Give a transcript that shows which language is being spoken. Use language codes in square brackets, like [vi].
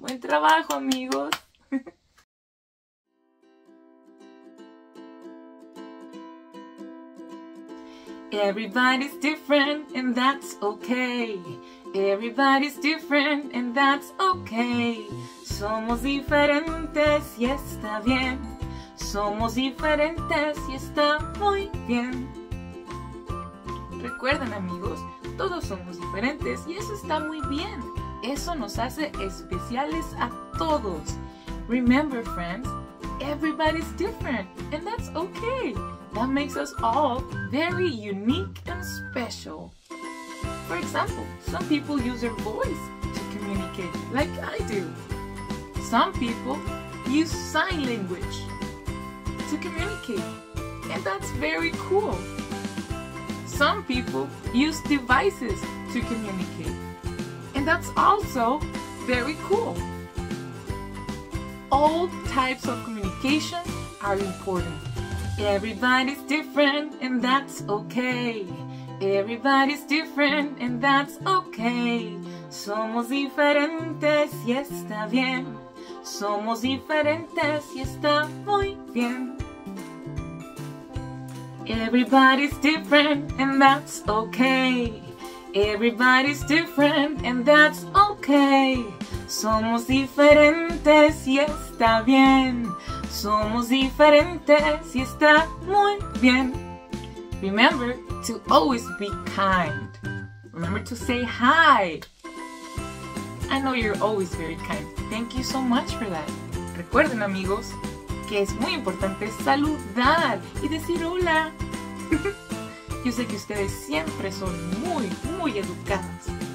[es] Buen trabajo, amigos. [en] Everybody's different, and that's okay. Everybody's different, and that's okay. [es] Somos diferentes y está bien. Somos diferentes y está muy bien. Recuerden, amigos, todos somos diferentes y eso está muy bien. Eso nos hace especiales a todos. [en] Remember, friends, everybody's different, and that's okay. That makes us all very unique and special. For example, some people use their voice to communicate, like I do. Some people use sign language to communicate, and that's very cool. Some people use devices to communicate, and that's also very cool. All types of communication are important. Everybody's different, and that's okay. Everybody's different, and that's okay. [es] Somos diferentes, y está bien. Somos diferentes, y está muy bien. [en] Everybody's different, and that's okay. Everybody's different, and that's okay. [es] Somos diferentes, y está bien. Somos diferentes, y está muy bien. [en] Remember to always be kind. Remember to say hi. I know you're always very kind. Thank you so much for that. [es] Recuerden, amigos, que es muy importante saludar y decir hola. Yo sé que ustedes siempre son muy, muy educados.